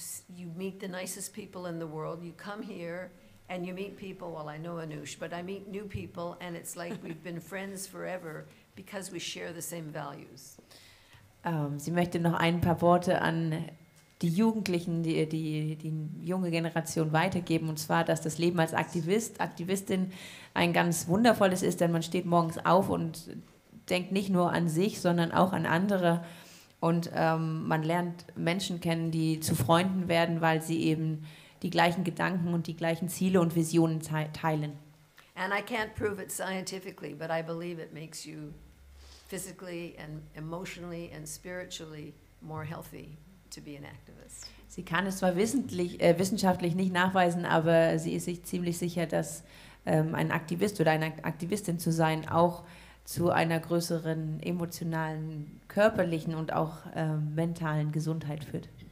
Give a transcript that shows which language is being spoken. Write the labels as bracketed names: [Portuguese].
[English] You meet the nicest people in the world. You come here and you meet people. Well, I know Anoush, but I meet new people, and it's like we've been friends forever because we share the same values. [German] Sie möchte noch ein paar Worte an die Jugendlichen, die junge Generation weitergeben, und zwar, dass das Leben als Aktivist, Aktivistin ein ganz wundervolles ist, denn man steht morgens auf und denkt nicht nur an sich, sondern auch an andere. Und man lernt Menschen kennen, die zu Freunden werden, weil sie eben die gleichen Gedanken und die gleichen Ziele und Visionen teilen. [English] And I can't prove it scientifically, but I believe it makes you physically and emotionally and spiritually more healthy to be an activist. [German] Sie kann es zwar wissenschaftlich nicht nachweisen, aber sie ist sich ziemlich sicher, dass ein Aktivist oder eine Aktivistin zu sein auch zu einer größeren emotionalen, körperlichen und auch mentalen Gesundheit führt.